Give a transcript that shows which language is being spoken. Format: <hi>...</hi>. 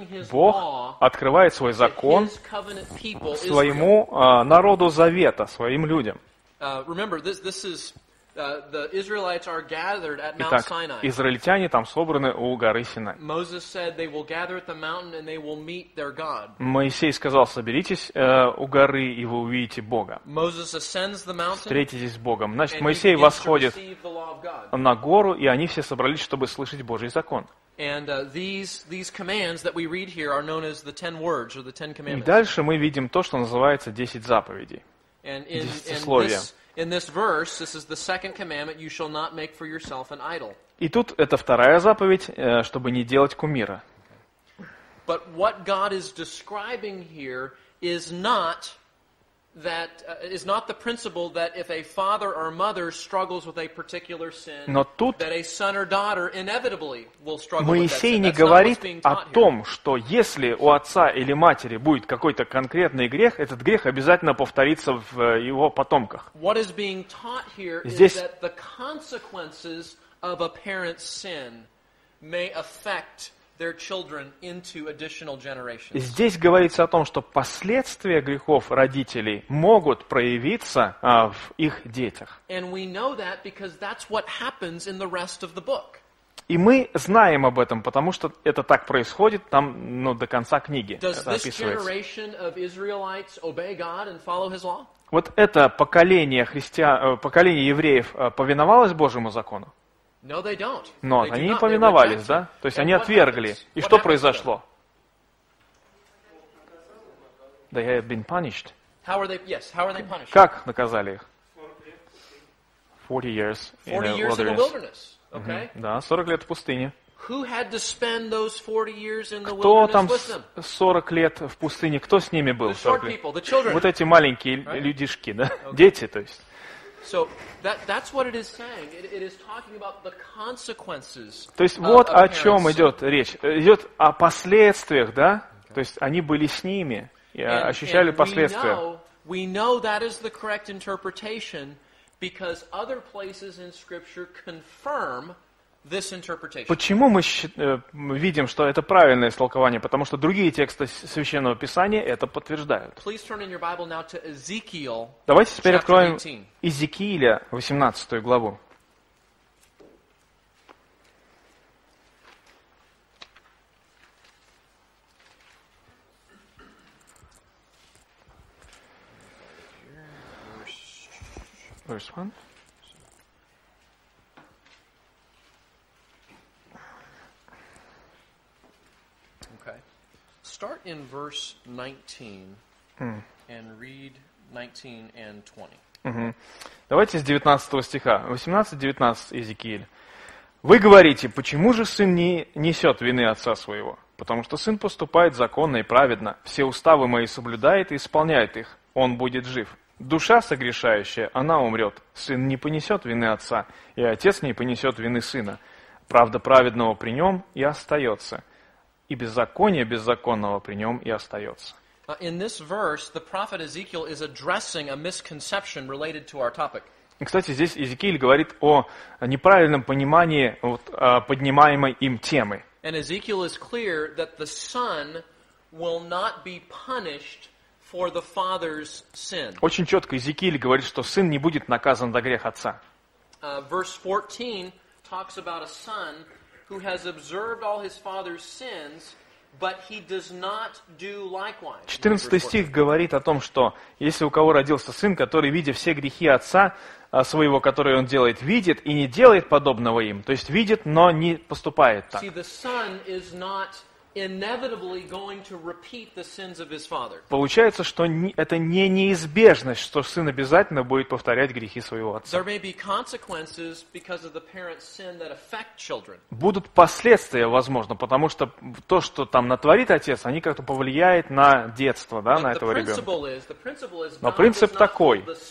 <ru>Бог открывает свой закон своему народу завета, своим людям.</ru> <en>Remember, this is the Israelites are gathered at Mount Sinai.</en> <ru>Израильтяне там собраны у горы Синай.</ru> <en>Moses said they will gather at the mountain and they will meet their God.</en> <ru>Моисей сказал: соберитесь у горы и вы увидите Бога.</ru> <en>Moses ascends the mountain.</en> <ru>Встретитесь с Богом. Значит, Моисей восходит на гору и они все собрались, чтобы слышать Божий закон.</ru> <en>And these commands that we read here are known as the Ten Words or the Ten Commandments.</en> <ru>И дальше мы видим то, что называется 10 заповедей. Десятисловие.</ru> <en>In this verse, this is the second commandment: you shall not make for yourself an idol.</en> <ru>И тут это вторая заповедь, чтобы не делать кумира.</ru> <en>But what God is describing here is not the principle that if a father or mother struggles with a particular sin, that a son or daughter inevitably will struggle with that sin.</en> <ru>Моисей не говорит о том, что если у отца или матери будет какой-то конкретный грех, этот грех обязательно повторится в его потомках.</ru> <en>What is being taught here is that the consequences of a parent's sin may affect their children into additional generations.</en> <ru>Здесь говорится о том, что последствия грехов родителей могут проявиться в их детях.</ru> <en>And we know that because that's what happens in the rest of the book.</en> <ru>И мы знаем об этом, потому что это так происходит там, ну, до конца книги.</ru> <en>Does</en> <ru>это описывается.</ru> <en>This generation of Israelites obey God and follow His law?</en> <ru>Вот это поколение поколение евреев повиновалось Божьему закону?</ru> <en>No, they don't.</en> <ru>Но</ru> <en>they</en> <ru>они не повиновались, да? То есть они отвергли. И что произошло?</ru> <en>They have been punished. How are they, yes, how are they punished?</en> <ru>Как наказали их?</ru> <en>40 years in the wilderness. In the wilderness. Okay. Mm-hmm.</en> <ru>Да, 40 лет в пустыне.</ru> <en>Who had to spend those 40 years in the</en> <ru>Кто там 40 лет в пустыне? Кто с ними был?</ru> <en>The short people, the children.</en> <ru>Вот эти маленькие людишки, да? Okay. Дети, то есть.</ru> <en>So that's what it is saying. It is talking about the consequences.</en> <ru>То есть вот о чем идет речь. Идет о последствиях, да? Okay. То есть они были с ними и ощущали последствия.</ru> <en>We know that is the correct interpretation because other places in scripture confirm this interpretation.</en> <ru>Почему мы видим, что это правильное истолкование? Потому что другие тексты Священного Писания это подтверждают.</ru> <en>Please turn in your Bible now to Ezekiel.</en> <ru>Давайте теперь откроем Иезекииля, 18 главу.</ru> <en>Verse 1. Start in verse 19 and read 19 and 20.</en> <ru>Давайте с 19 стиха. 18-19, Иезекииль. Вы говорите, почему же сын не несет вины отца своего? Потому что сын поступает законно и праведно. Все уставы мои соблюдает и исполняет их. Он будет жив. Душа согрешающая, она умрет. Сын не понесет вины отца, и отец не понесет вины сына. Правда праведного при нем и остается. И беззаконие беззаконного при нем и остается.</ru> <en>In this verse, the prophet Ezekiel is addressing a misconception related to our topic.</en> <ru>Кстати, здесь Иезекииль говорит о неправильном понимании поднимаемой им темы.</ru> <en>And Ezekiel is clear that the son will not be punished for the father's sin.</en> <ru>Очень четко Иезекииль говорит, что сын не будет наказан за грех отца.</ru> <en>Verse 14 talks about a son who has observed all his father's sins, but he does not do likewise.</en> <ru>14 стих говорит о том, что если у кого родился сын, который, видя все грехи отца своего, которые он делает, видит и не делает подобного им, то есть видит, но не поступает так.</ru> <en>See, the son is not inevitably going to repeat the sins of his father.</en> <ru>Получается, что это не неизбежность, что сын обязательно будет повторять грехи своего отца.</ru> <en>There may be consequences because of the parent's sin that affect children.</en> <ru>Будут последствия, возможно, потому что то, что там натворит отец, они как-то повлияют на детство, да, на этого ребенка. Но принцип такой.</ru>